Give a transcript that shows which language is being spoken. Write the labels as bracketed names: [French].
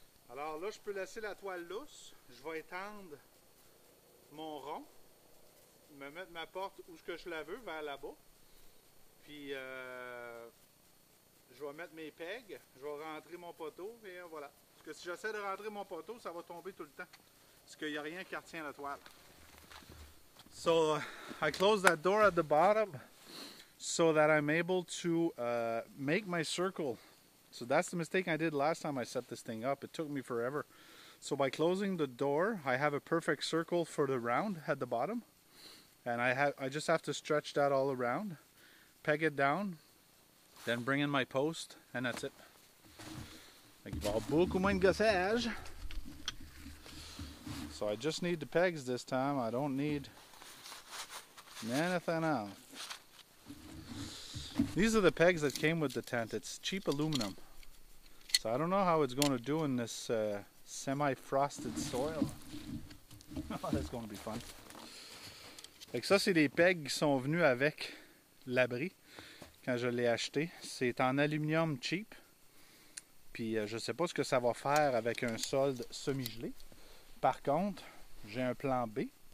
[French] Alors là, je peux laisser la toile lousse, je vais étendre mon rond, me mettre ma porte où que je la veux, vers là-bas. Puis, je vais mettre mes pegs, je vais rentrer mon poteau, et voilà. Parce que si j'essaie de rentrer mon poteau, ça va tomber tout le temps. Parce qu'il n'y a rien qui retient la toile. [English] So, I close that door at the bottom. So that I'm able to make my circle. So that's the mistake I did last time I set this thing up. It took me forever. So by closing the door, I have a perfect circle for the round at the bottom. And I just have to stretch that all around, peg it down, then bring in my post, and that's it. [French] Il va avoir beaucoup moins de gossage. [English] So I just need the pegs this time. I don't need anything else. These are the pegs that came with the tent. It's cheap aluminum. So I don't know how it's going to do in this semi-frosted soil. That's going to be fun. [French] Fait que ça, c'est des pegs qui sont venus avec l'abri quand je l'ai acheté. C'est en aluminium cheap. Puis je sais pas ce que ça va faire avec un sol semi-gelé. Par contre, j'ai un plan B.